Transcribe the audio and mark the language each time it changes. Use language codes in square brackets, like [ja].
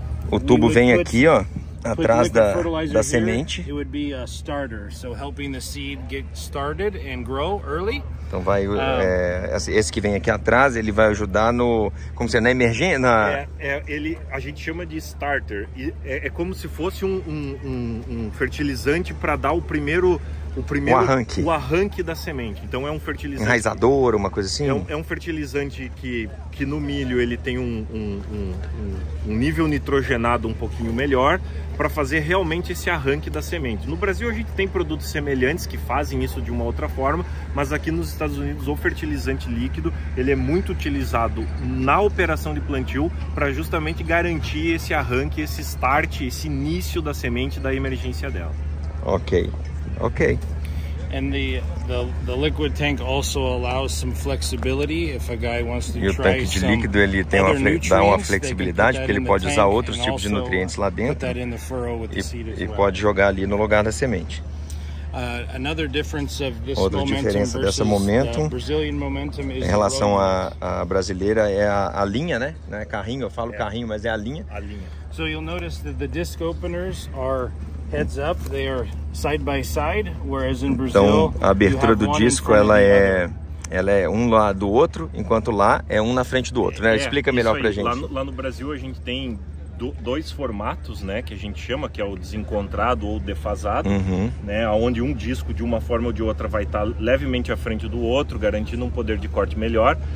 [pt] O tubo vem aqui, ó, atrás da semente. [en] It would be a starter, so helping the seed get started and grow early. [pt] Então vai esse que vem aqui atrás, ele vai ajudar no, como se, na emergência, na... A gente chama de starter, é como se fosse um fertilizante para dar o primeiro o arranque da semente. Então é um fertilizante enraizador, uma coisa assim. É um fertilizante que no milho ele tem um nível nitrogenado um pouquinho melhor para fazer realmente esse arranque da semente. No Brasil a gente tem produtos semelhantes que fazem isso de uma outra forma, mas aqui nos Estados Unidos o fertilizante líquido ele é muito utilizado na operação de plantio para justamente garantir esse arranque, esse start, esse início da semente, da emergência dela. Ok. [en] And the liquid tank also allows some flexibility if a guy wants to try some. [pt] E o tanque de líquido ele tem uma flexibilidade, porque ele pode usar outros tipos de nutrientes lá dentro e pode jogar ali no lugar da semente. [en] Another difference of this [pt] Outra diferença dessa momentum, [en] Brazilian momentum is [pt] em relação à brasileira é a linha, né? Não é carrinho, eu falo carrinho, mas é a linha. A linha. [en] So you'll notice that the disc openers are heads up, they are side by side, whereas in Brazil, [pt] então, a abertura do disco ela é um lado do outro, enquanto lá é um na frente do outro, né? Explica melhor pra gente. Lá no Brasil a gente tem dois formatos, né, que a gente chama, que é o desencontrado ou defasado, né, onde um disco de uma forma ou de outra vai estar levemente à frente do outro, garantindo um poder de corte melhor.